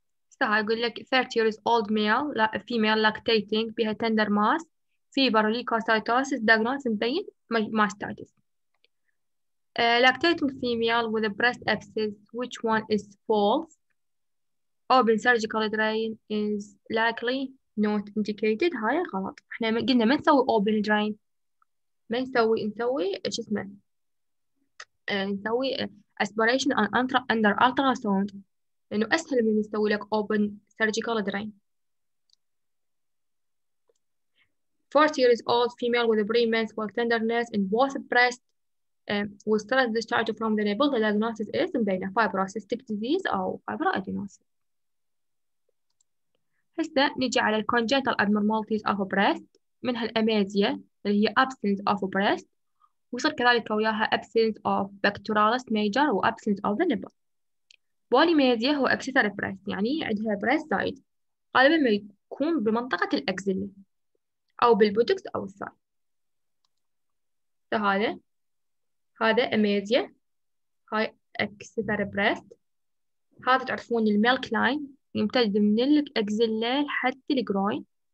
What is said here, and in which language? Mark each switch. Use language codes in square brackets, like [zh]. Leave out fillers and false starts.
[ar] صح، اقول لك [en] 30 years old male لا female lactating بها tender mass fever leukocytosis diagnosis [ar] مبين [en] mastitis. lactating female with a breast abscess which one is false? open surgical drain is likely not indicated. [ar] هاي غلط، احنا قلنا ما نسوي open drain، ما نسوي، نسوي شو اسمه، نسوي [en] aspiration under ultrasound [ar] لانه اسهل من نسوي لك open surgical drain. [en] 40 years old female with a premens with tenderness in both breast with stress discharge from the nipple. The diagnosis is بين fibrocystic disease او fibroadenosis. هسه نجي على congenital abnormalities of a breast، [ar] منها الأميزيا اللي هي [en] absence of a breast، ويصير كذلك وياها absence of pectoralis major و absence of the nipple. polymesia هو accessory breast، [ar] يعني عندها [en] breast side، [ar] غالبا ما يكون بمنطقة الأكزيلا أو بالبوتوكس أو الساي. هذا أميزيا، هاي أكسسر بريست، هذا تعرفون الميلك لاين يمتد من الأكزيلا لحد الجروين.